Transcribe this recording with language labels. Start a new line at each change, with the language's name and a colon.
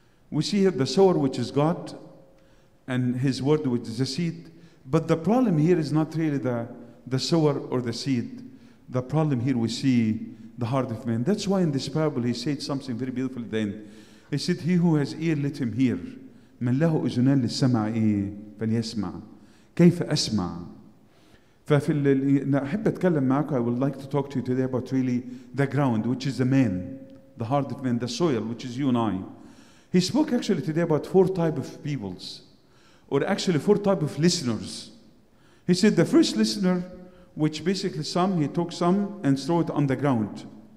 English: We see here the sower, which is God, and his word, which is the seed. But the problem here is not really the sower or the seed. The problem here we see the heart of man. That's why in this parable he said something very beautiful then. He said, he who has ear, let him hear.
Arabic: من له أذنان للسمع فليسمع. كيف أسمع. ففي اللي أحب أتكلم معك,
English: I would like to talk to you today about really the ground, which is the man, the heart of man, the soil, which is you and I. He spoke actually today about four types of peoples, or actually four types of listeners. He said the first listener, which basically some, he took some and threw it on the ground.